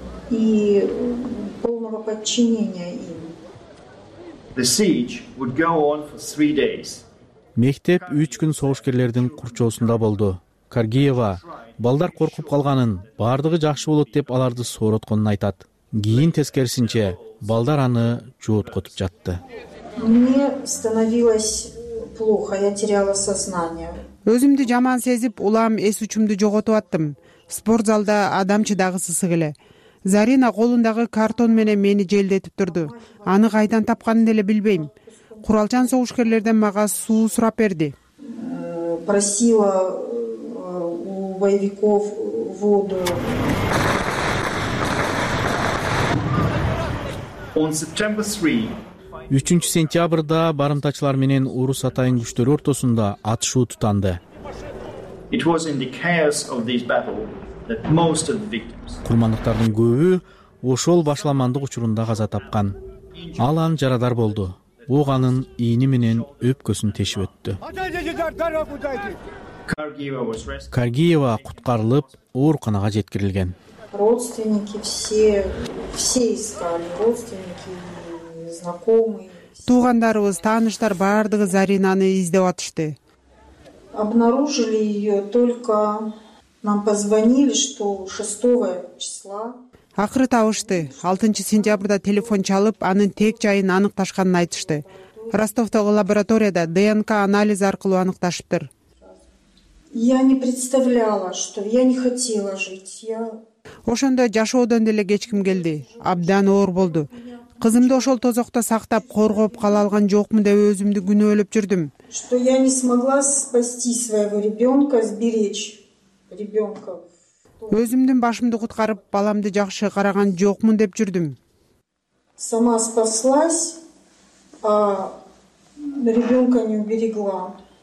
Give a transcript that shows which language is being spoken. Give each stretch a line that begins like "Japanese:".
Russian: и полного подчинения им.
English: The siege would go on for 3 days.
Kyrgyz: Мектеп 3 күн соғышкерлердин курчоосунда болду. Каргиева балдар коркуп калганын, бардыгы жакшы болот деп аларды сооротконун айтат. Кийин тескерисинче балдар аны жооткотуп жатты.
Russian: Мне становилось плохо, я теряла сознание.
Kyrgyz: Өзүмдү жаман сезип, улам эс учумду жоготуп аттым. Спорт залда адам чыдагысыз эле. Зарина колундагы картон менен мени желдетип турду. Аны кайдан тапканын деле билбейм. Куралчан согушкерлерден мага суу сурап берди.
Russian: Просила у боевиков воду.
English: On September 3.
Kyrgyz: 3 сентябрда барымтачылар менен орус атайын күчтөрү ортосунда атышуу тутанды.
English: It was in the chaos of this battle that most of the victims.
Kyrgyz: Курмандыктардын көбү ошол башламандык учурунда каза тапкан. Алан жарадар болду. Ууганын ийни менен өпкөсүн тешип өттү. Каргиева куткарылып, ооруканага жеткирилген.
Russian: Родственники все искали, родственники, знакомые.
Kyrgyz: Туугандарыбыз, тааныштар бардыгы Заринаны издеп атышты.
Russian: Обнаружили её только нам позвонили, что 6-го числа.
Kyrgyz: Акыры табышты. 6 сентябрда телефон чалып, анын тек жайын аныкташканын айтышты. Ростовтогу лабораторияда ДНК анализ аркылуу аныкташыптыр.
Russian: Я не представляла, что я не хотела жить. Я
Kyrgyz: ошондо жашоодон деле кечким келди. Абдан оор болду. Кызымды ошол тозокто сактап, коргоп кала алган жокмун деп өзүмдү күнөөлөп жүрдүм.
Russian: Что я не смогла спасти своего ребёнка, сберечь ребёнка.
Kyrgyz: Өзүмдүн башымды куткарып, баламды жакшы караган жокмун деп жүрдүм.
Russian: Сама спаслась, а ребёнка не уберегла.